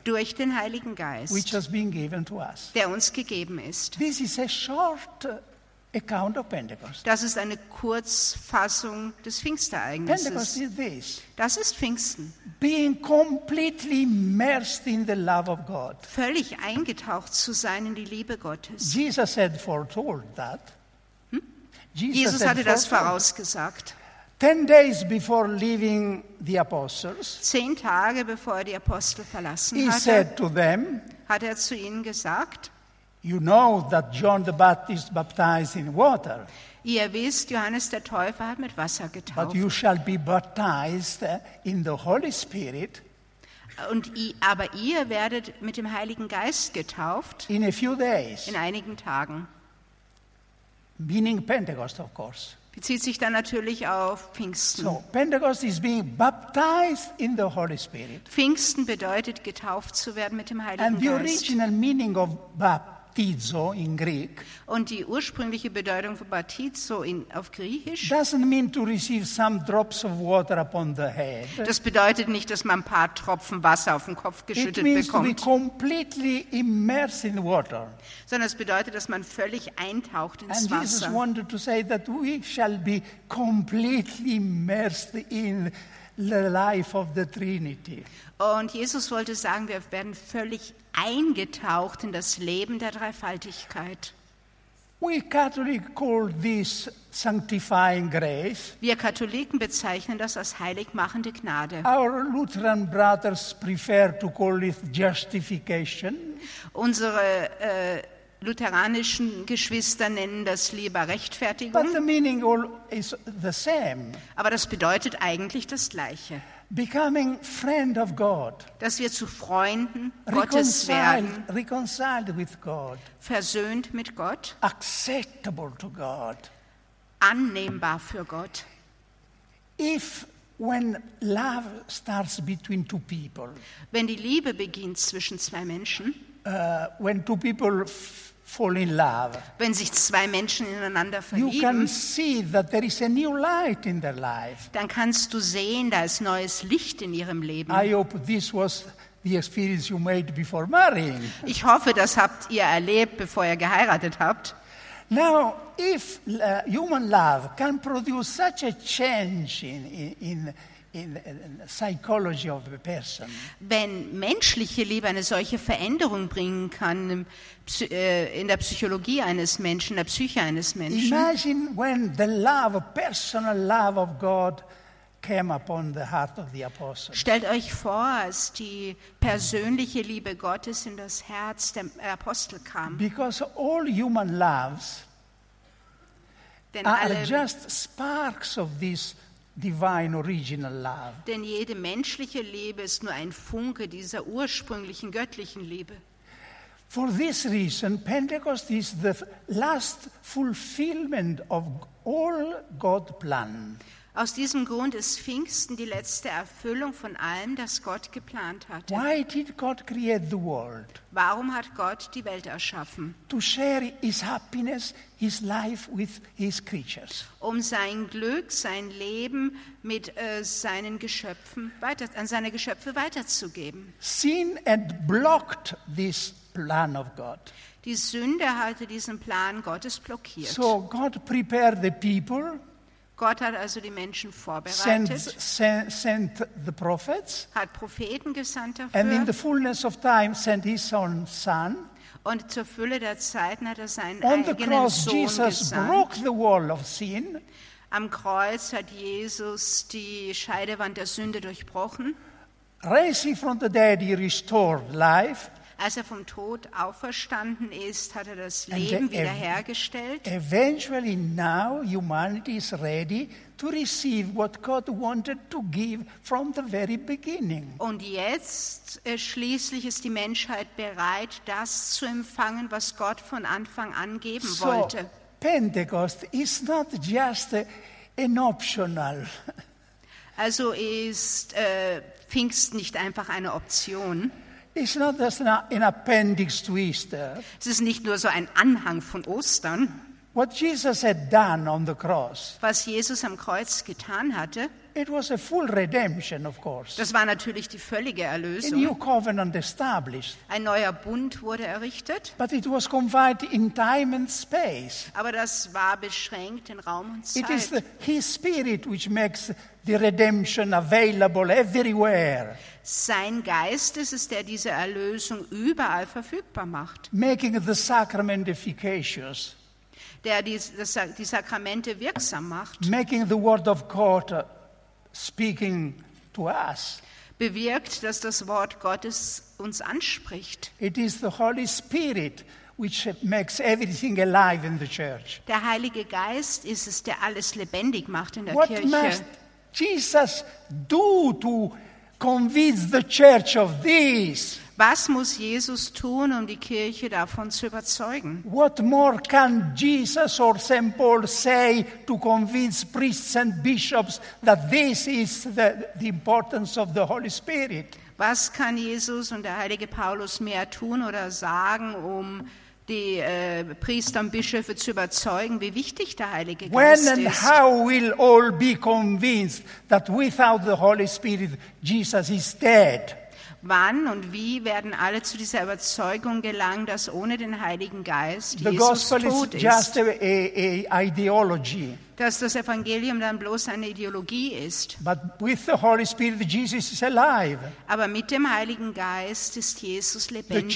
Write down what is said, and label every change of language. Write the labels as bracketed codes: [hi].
[de] Durch den Heiligen Geist. [en] Which has been given to us. [de] Der uns gegeben ist. [en] This is a short account of Pentecost. [de] Das ist eine Kurzfassung des Pfingstereignisses. [en] Pentecost is this. [de] Das ist Pfingsten. [en] Being completely immersed in the love of God. [de] Völlig eingetaucht zu sein in die Liebe Gottes. [en] Jesus had foretold that. [de] Jesus hatte das vorausgesagt. [en] 10 days before leaving the apostles. [de] 10 Tage bevor er die Apostel verlassen [en] he [de] hatte. [en] He said to them. [de] Hat er zu ihnen gesagt. [en] You know that John the Baptist baptized in water. [de] Ihr wisst, Johannes der Täufer hat mit Wasser getauft. [en] But you shall be baptized in the Holy Spirit. [de] Und aber ihr werdet mit dem Heiligen Geist getauft. [en] In a few days. [de] In einigen Tagen. [en] Meaning Pentecost, of course. [de] Bezieht sich dann natürlich auf Pfingsten. [en] So, Pentecost is being baptized in the Holy Spirit. [de] Pfingsten bedeutet getauft zu werden mit dem Heiligen Geist. [en] And the Geist. Original meaning of baptism. In Greek, [de] und die ursprüngliche Bedeutung von baptizo auf Griechisch [en] doesn't mean to receive some drops of water upon the head. [de] Das bedeutet nicht, dass man ein paar Tropfen Wasser auf den Kopf geschüttet [en] it means [de] bekommt. [en] To be completely immersed in water. [de] Sondern es bedeutet, dass man völlig eintaucht ins Wasser. [en] And Jesus wanted to say that we shall be completely immersed in the life of the Trinity. [de] Und Jesus wollte sagen, wir werden völlig eingetaucht in das Leben der Dreifaltigkeit. [en] We Catholics call this sanctifying grace. [de] Wir Katholiken bezeichnen das als heiligmachende Gnade. [en] Our Lutheran brothers prefer to call it justification. [de] Unsere lutheranischen Geschwister nennen das lieber Rechtfertigung. [en] But the meaning all is the same. [de] Aber das bedeutet eigentlich das Gleiche. [en] Becoming friend of God. [de] Dass wir zu Freunden Gottes werden. [en] Reconciled with God. [de] Versöhnt mit Gott. [en] Acceptable to God. [de] Annehmbar für Gott. [en] If when love starts between two people. [de] Wenn die Liebe beginnt zwischen zwei Menschen. [en] When two people fall in love. [de] Wenn sich zwei Menschen ineinander verlieben. [en] You can see that there is a new light in their life. [de] Dann kannst du sehen, da ist neues Licht in ihrem Leben. [en] I hope this was the experience you made before marrying. [de] Ich hoffe, das habt ihr erlebt, bevor ihr geheiratet habt. [en] Now, if human love can produce such a change in the psychology of a person. [de] Wenn menschliche Liebe eine solche Veränderung bringen kann in der Psychologie eines Menschen, in der Psyche eines Menschen. [en] Imagine when the love, personal love of God came upon the heart of the apostles. [de] Stellt euch vor, als die persönliche Liebe Gottes in das Herz der Apostel kam. [en] Because all human loves are just sparks of this divine original love. [de] Denn jede menschliche Liebe ist nur ein Funke dieser ursprünglichen göttlichen Liebe. [en] For this reason, Pentecost is the last fulfillment of all God plan. [de] Aus diesem Grund ist Pfingsten die letzte Erfüllung von allem, das Gott geplant hatte. [en] Why did God create the world? [de] Warum hat Gott die Welt erschaffen? [en] To share his happiness, his life with his creatures. [de] Um sein Glück, sein Leben mit seinen Geschöpfen weiter, an seine Geschöpfe weiterzugeben. [en] Sin and blocked this plan of God. [de] Die Sünde hatte diesen Plan Gottes blockiert. [en] So God prepared the people. [de] Gott hat also die Menschen vorbereitet. [en] Sent the prophets, [de] hat Propheten gesandt dafür. [en] And in the fullness of time sent his own son. [de] Und zur Fülle der Zeiten hat er seinen [en] On [de] eigenen [en] cross, [de] Sohn [en] Jesus [de] gesandt. [en] Broke the wall of sin. [de] Am Kreuz hat Jesus die Scheidewand der Sünde durchbrochen. [en] Raising from the dead, he restored life. [de] Als er vom Tod auferstanden ist, hat er das Leben wiederhergestellt. [en] Eventually now humanity is ready to receive what God wanted to give from the very beginning. [de] Und jetzt schließlich ist die Menschheit bereit, das zu empfangen, was Gott von Anfang an geben wollte. [en] So, Pentecost is not just an optional. [de] Also ist Pfingsten nicht einfach eine Option. [en] It's not just an appendix to Easter. [de] Es ist nicht nur so ein Anhang von Ostern. [en] What Jesus had done on the cross. [de] Was Jesus am Kreuz getan hatte. [en] It was a full redemption, of course. [de] Das war natürlich die völlige Erlösung. [en] A new covenant established. [de] Ein neuer Bund wurde errichtet. [en] But it was confined in time and space. [de] Aber das war beschränkt in Raum und Zeit. [en] It is his spirit which makes the redemption available everywhere. [de] Sein Geist ist es, der diese Erlösung überall verfügbar macht. [en] Making the sacrament efficacious. [de] Der die Sakramente wirksam macht. [en] Making the word of God speaking to us. [de] Bewirkt, dass das Wort Gottes uns anspricht. [en] It is the Holy Spirit which makes everything alive in the church. [de] Der Heilige Geist ist es, der alles lebendig macht in der [en] What [de] Kirche. [en] What must Jesus do to convince the church of this? [de] Was muss Jesus tun, um die Kirche davon zu überzeugen? [en] What more can Jesus or St. Paul say to convince priests and bishops that this is the importance of the Holy Spirit? [de] Was kann Jesus und der heilige Paulus mehr tun oder sagen, um die Priester und Bischöfe zu überzeugen, wie wichtig der Heilige Geist ist? [en] When and how will all be convinced that without the Holy Spirit, Jesus is dead? [de] Wann und wie werden alle zu dieser Überzeugung gelangen, dass ohne den Heiligen Geist [en] the [de] Jesus tot [en] is [de] ist? [en] Just a ideology. [de] Dass das Evangelium dann bloß eine Ideologie ist. [en] But with the Holy Spirit, Jesus is alive. [de] Aber mit dem Heiligen Geist ist Jesus lebendig.